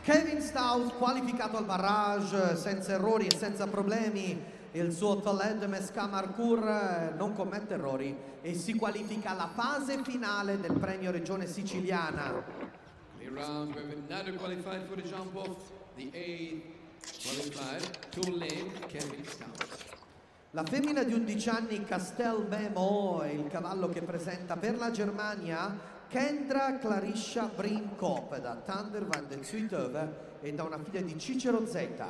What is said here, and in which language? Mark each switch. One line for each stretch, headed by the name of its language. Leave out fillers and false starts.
Italian: Kevin Stout qualificato al barrage, senza errori e senza problemi. Il suo Toled de Mescamarcourt non commette errori e si qualifica alla fase finale del premio Regione Siciliana.
English: Round, we have another qualified for the jump off, the 8th qualifier, Toled Kevin Stout.
Italian: La femmina di 11 anni Castel Memo è il cavallo che presenta per la Germania Kendra Clarissa Brinkop da Thunder van den Zuidhoven e da una figlia di Cicero Z.